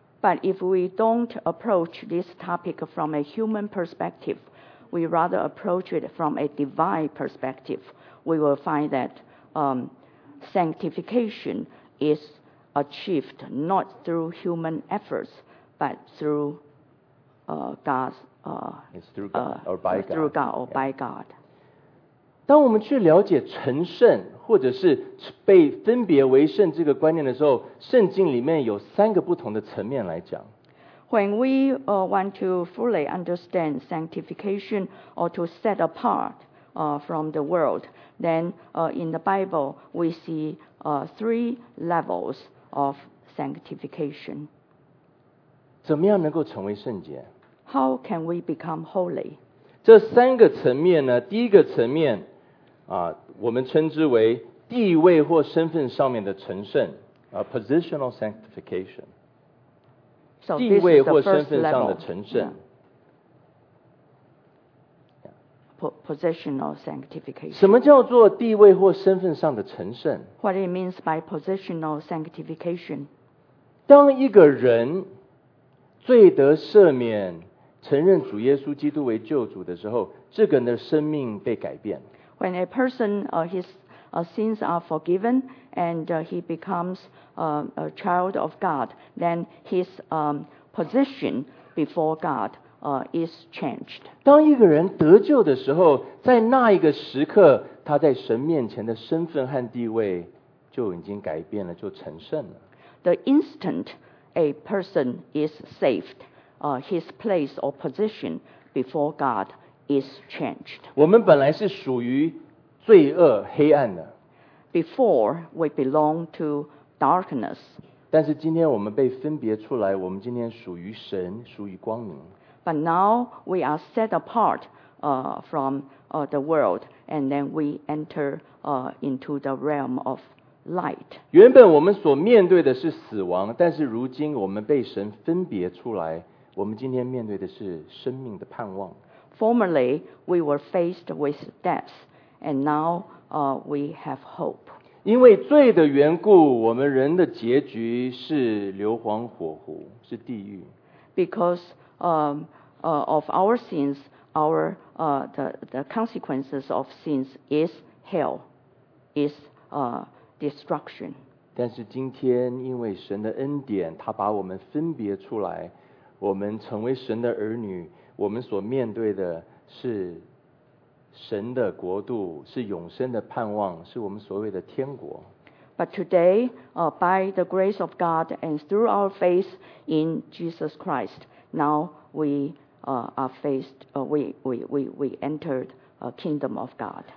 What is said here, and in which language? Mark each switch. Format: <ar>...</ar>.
<en>But if we don't approach this topic from a human perspective,We rather approach it from a divine perspective. We will find that sanctification is achieved not through human efforts, but through God's. It's through God or by God. Through God or by God.</en> <zh>当我们去了解成圣或者是被分别为圣这个观念的时候，圣经里面有三个不同的层面来讲。</zh> <en>When we want to fully understand sanctification or to set apart from the world, then in the Bible we see three levels of sanctification.</en> <zh>怎么样能够成为圣洁？</zh> <en>How can we become holy?</en> <zh>这三个层面呢，第一个层面我们称之为地位或身份上面的成圣</zh> <en>positional sanctification. So、</en> <zh>地位或身份上的成圣、</zh> <en>Positional sanctification.</en> <zh>什么叫做地位或身份上的成圣？</zh> <en>What it means by positional sanctification?</en> <zh>当一个人罪得赦免，承认主耶稣基督为救主的时候，这个人的生命被改变。</zh> <en>When a person, his sins are forgiven. And he becomes a child of God, then his position before God is changed.</en> <zh>当一个人得救的时候，在那一个时刻，他在神面前的身份和地位就已经改变了，就成圣了。</zh> <en>The instant a person is saved, his place or position before God is changed.</en> <zh>我们本来是属于罪恶黑暗的。</zh> <en>Before we belong to darkness.</en> <zh>但是今天我们被分别出来，我们今天属于神，属于光明。</zh> <en>But now we are set apart from the world, and then we enter into the realm of light.</en> <zh>原本我们所面对的是死亡，但是如今我们被神分别出来，我们今天面对的是生命的盼望。</zh> <en>Formerly we were faced with death, and now. We have hope.</en> <zh>因为罪的缘故，我们人的结局是硫磺火湖，是地狱。</zh> <en>Because of our sins, our the consequences of sins is hell, is destruction.</en> <zh>但是今天，因为神的恩典，他把我们分别出来，我们成为神的儿女，我们所面对的是神的国度是永生的盼望，是我们所谓的天国。</zh> <en>But today, by the grace of God and through our faith in Jesus Christ, now we are faced, we entered a kingdom of God.</en>